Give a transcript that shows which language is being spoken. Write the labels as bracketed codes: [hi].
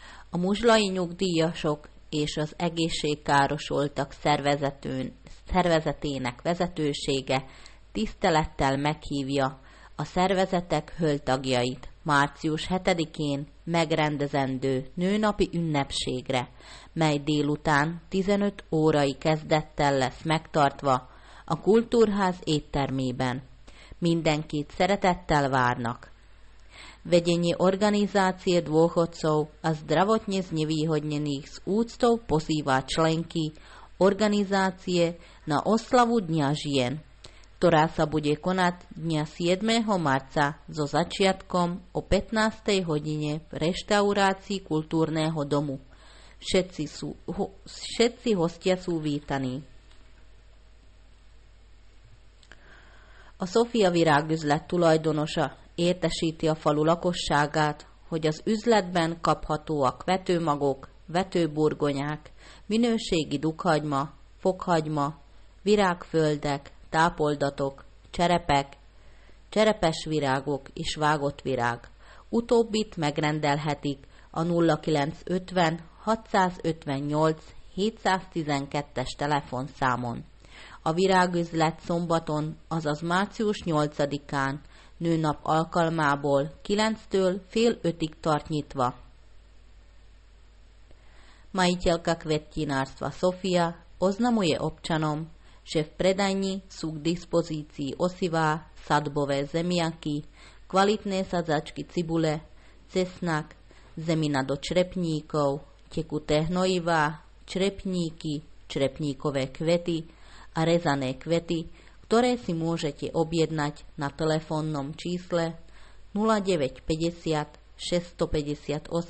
[hu] A muzslai nyugdíjasok és az egészségkárosoltak szervezetének vezetősége tisztelettel meghívja a szervezetek hőltagjait március 7-én megrendezendő nőnapi ünnepségre, mely délután 15 órai kezdettel lesz megtartva a Kultúrház éttermében. Mindenkit szeretettel várnak. [sk] Vedenie organizácie dôchodcov a zdravotne znevýhodnených z úctou pozýva členky organizácie na oslavu Dňa žien, ktorá sa bude konať dňa 7. marca so začiatkom o 15. hodine v reštaurácii kultúrneho domu. Všetci hostia sú vítaní. [hu] A Szofia virágüzlet tulajdonosa értesíti a falu lakosságát, hogy az üzletben kaphatóak vetőmagok, vetőburgonyák, minőségi dukhagyma, fokhagyma, virágföldek, tápoldatok, cserepek, cserepes virágok és vágott virág. Utóbbit megrendelhetik a 0950 658 712-es telefonszámon. A virágüzlet szombaton, azaz március 8-án, nőnap alkalmából 9-től fél 5-ig tart nyitva. [sk] Majiteľka kvetinárstva Sofia oznamuje občanom, že v predajni sú k dispozícii osivá, sadbové zemiaky, kvalitné sadzačky cibule, cesnak, zemina do črepníkov, tekuté hnojivá, črepníky, črepníkové kvety a rezané kvety, ktoré si môžete objednať na telefónnom čísle 0950 658 712.